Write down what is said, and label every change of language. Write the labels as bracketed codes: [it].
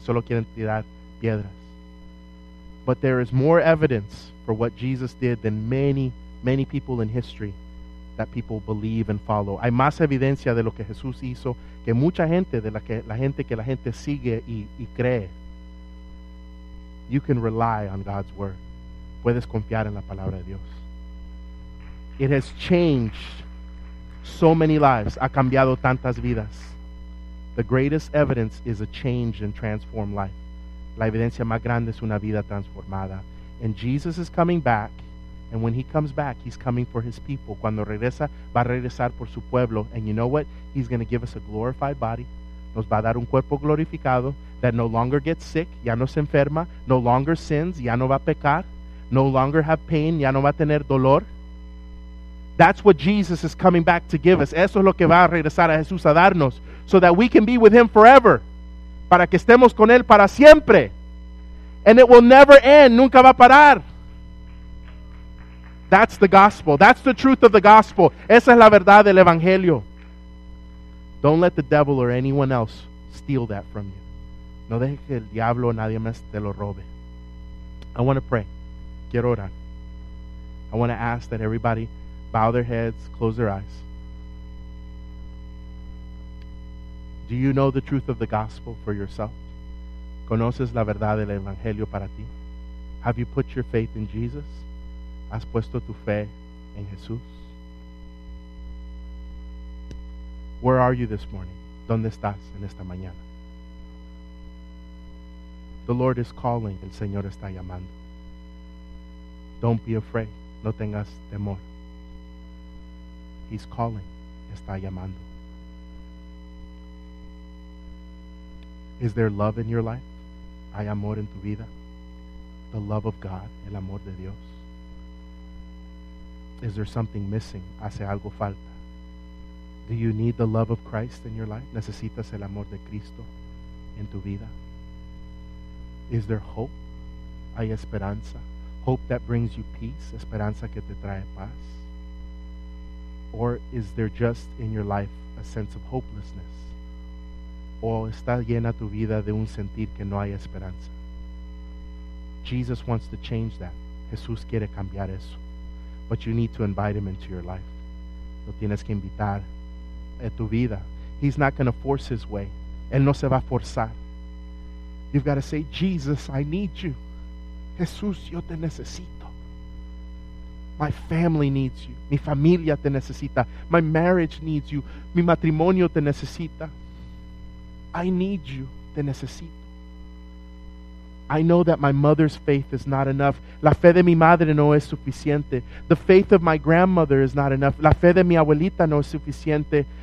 [es] Solo quieren tirar piedras. [en] But there is more evidence for what Jesus did than many, many people in history that people believe and follow. [es] Hay más evidencia de lo que Jesús hizo que mucha gente, de la gente sigue y cree. [en] You can rely on God's word. [es] Puedes confiar en la palabra de Dios. [en] It has changed so many lives. [es] Ha cambiado tantas vidas. [en] The greatest evidence is a changed and transformed life. [es] La evidencia más grande es una vida transformada. [en] And Jesus is coming back. And when he comes back, he's coming for his people. [es] Cuando regresa, va a regresar por su pueblo. [en] And you know what? He's going to give us a glorified body. [es] Nos va a dar un cuerpo glorificado [en] that no longer gets sick. [es] Ya no se enferma. [en] No longer sins. [es] Ya no va a pecar. [en] No longer have pain. [es] Ya no va a tener dolor. [en] That's what Jesus is coming back to give us. [es] Eso es lo que va a regresar a Jesús a darnos. [en] So that we can be with him forever. [es] Para que estemos con él para siempre. [en] And it will never end. [es] Nunca va a parar. [en] That's the gospel. That's the truth of the gospel. [es] Esa es la verdad del evangelio. [en] Don't let the devil or anyone else steal that from you. [es] No deje que el diablo o nadie más te lo robe. [en] I want to pray. [es] Quiero orar. [en] I want to ask that everybody bow their heads, close their eyes. Do you know the truth of the gospel for yourself? [es] ¿Conoces la verdad del evangelio para ti? [en] Have you put your faith in Jesus? [es] ¿Has puesto tu fe en Jesús? [en] Where are you this morning? [es] ¿Dónde estás en esta mañana? [en] The Lord is calling. [es] El Señor está llamando. [en] Don't be afraid. [es] No tengas temor. [en] He's calling. [es] Está llamando. [en] Is there love in your life? [es] ¿Hay amor en tu vida? [en] The love of God. [es] El amor de Dios. [en] Is there something missing? [es] ¿Hace algo falta? [en] Do you need the love of Christ in your life? [es] ¿Necesitas el amor de Cristo en tu vida? [en] Is there hope? [es] ¿Hay esperanza? [en] Hope that brings you peace. [es] Esperanza que te trae paz. [en] Or is there just in your life a sense of hopelessness? [es] ¿O está llena tu vida de un sentir que no hay esperanza? [en] Jesus wants to change that. [es] Jesús quiere cambiar eso. [en] But you need to invite him into your life. [es] Lo tienes que invitar a tu vida. [en] He's not going to force his way. [es] Él no se va a forzar. [en] You've got to say, Jesus, I need you. [es] Jesús, yo te necesito. [en] My family needs you. [es] Mi familia te necesita. [en] My marriage needs you. [es] Mi matrimonio te necesita. [en] I need you. [es] Te necesito. [en] I know that my mother's faith is not enough. [es] La fe de mi madre no es suficiente. [en] The faith of my grandmother is not enough. [es] La fe de mi abuelita no es suficiente.